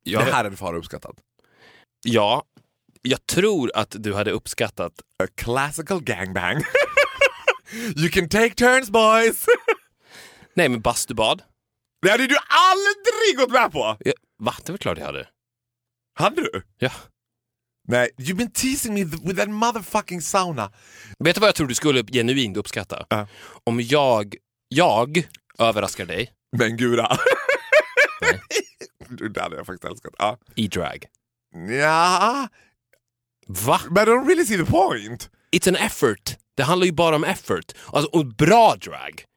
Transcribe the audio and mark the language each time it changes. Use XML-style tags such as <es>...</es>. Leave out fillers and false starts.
<sv>Jag, det här hade far uppskattat. Ja, jag tror att du hade uppskattat</sv> <en>a classical gangbang. You can take turns, boys.</en> <sv>Nej, men bastubad. Det hade du aldrig gått med på. Va? Det var klart jag hade. Hade du? Ja.</sv> <en>Nej, you've been teasing me with that motherfucking sauna.</en> <sv>Vet du vad jag tror du skulle genuint uppskatta? Om jag överraskar dig. Men gura. Nej. Det hade jag faktiskt älskat. I drag. Ja. Va?</sv> <en>But I don't really see the point. It's an effort.</en> <sv>Det handlar ju bara om effort. Alltså, och bra drag.</sv>